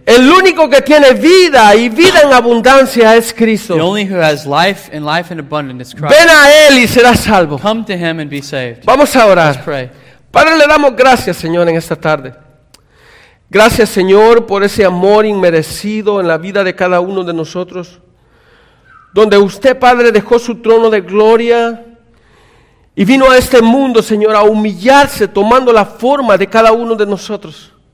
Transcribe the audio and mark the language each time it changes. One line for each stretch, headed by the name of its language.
Spanish: El único que tiene vida y vida en abundancia es Cristo.
English: The only who has life and life in abundance is Christ.
Spanish: Ven a él y serás salvo.
English: Come to him and be saved.
Spanish: Vamos a orar.
English: Let's pray.
Spanish: Padre, le damos gracias, Señor, en esta tarde. Gracias, Señor, por ese amor inmerecido en la vida de cada uno de nosotros, donde usted, Padre, dejó su trono de gloria y vino a este mundo, Señor, a humillarse, tomando la forma de cada uno de nosotros.